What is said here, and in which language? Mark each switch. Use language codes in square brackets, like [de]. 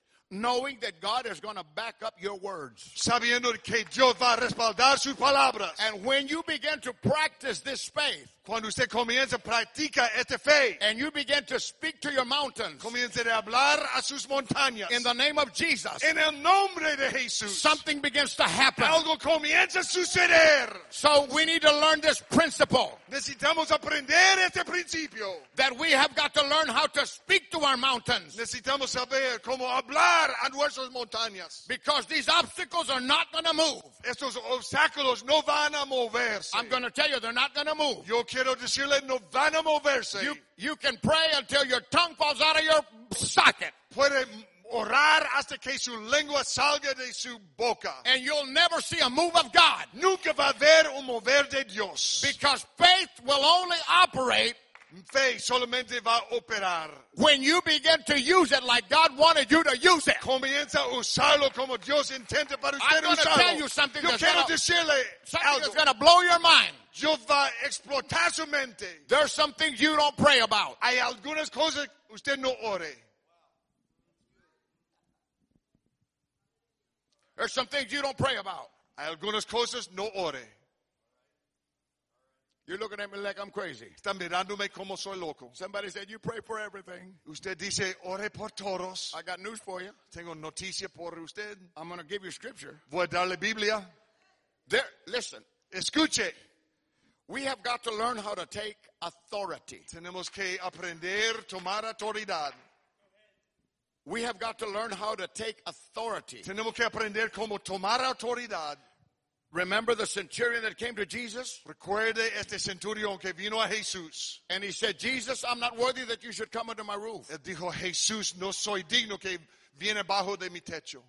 [en] Knowing that God is going to back up your words. [es] Sabiendo que Dios va a respaldar sus palabras. [en] And when you begin to practice this faith. [es] Cuando usted comienza, practica esta fe. [en] And you begin to speak to your mountains. [es] Comienza a hablar a sus montañas. [en] In the name of Jesus. [es] En el nombre de Jesús. [en] Something begins to happen. [es] Algo comienza a suceder. [en] So we need to learn this principle. [es] Necesitamos aprender este principio. [en] That we have got to learn how to speak to our mountains. [es] Necesitamos saber cómo hablar a nuestras montañas. [en] Because these obstacles are not going to move. [es] Estos obstáculos no van a moverse. [en] I'm going to tell you, they're not going to move. [es] Yo quiero decirle, no van a moverse. [en] You can pray until your tongue falls out of your socket. [es] Puede orar hasta que su lengua salga de su boca. [en] And you'll never see a move of God. [es] Nunca va a ver un mover de Dios. [en] Because faith will only operate. [es] Fe solamente va a operar. [en] When you begin to use it like God wanted you to use it. [es] Comienza a usarlo como Dios intenta para usted usarlo. [en] I'm going to tell you something. [es] Yo quiero decirle algo. [en] Something that's going to blow your mind. [es] Yo va a explotar su mente. [en] There's some things you don't pray about. [es] Hay algunas cosas usted no ore. [en] There's some things you don't pray about. [es] Hay algunas cosas no ore. [en] You're looking at me like I'm crazy. [es] Están mirándome como soy loco. [en] Somebody said you pray for everything. [es] Usted dice ore por todos. [en] I got news for you. [es] Tengo noticia por usted. [en] I'm going to give you scripture. [es] Voy a darle Biblia. [en] There, listen. [es] Escuche. [en] We have got to learn how to take authority. [es] Tenemos que aprender tomar autoridad. [en] We have got to learn how to take authority. [es] Tenemos que aprender cómo tomar autoridad. [en] Remember the centurion that came to Jesus? [es] Recuerde este centurión que vino a Jesús. [en] And he said, Jesus, I'm not worthy that you should come under my roof. [es] Él dijo, Jesús, no soy digno que viene bajo de mi techo.